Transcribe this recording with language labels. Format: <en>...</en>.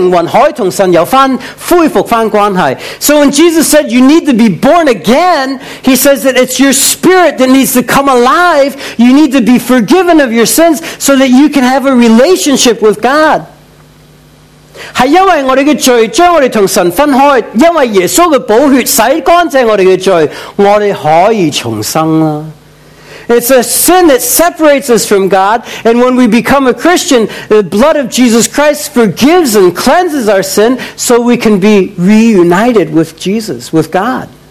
<en>So when Jesus said you need to be born again, he says that it's your spirit that needs to come alive. You need to be forgiven of your sins so that you can have a relationship with God.</en> <zh>是因为我们的罪将我们跟神分开，因为耶稣的宝血洗干净我们的罪，我们可以重生啦。</zh> <en>It's a sin that separates us from God, and when we become a Christian, the blood of Jesus Christ forgives and cleanses our sin so we can be reunited with Jesus, with God.</en>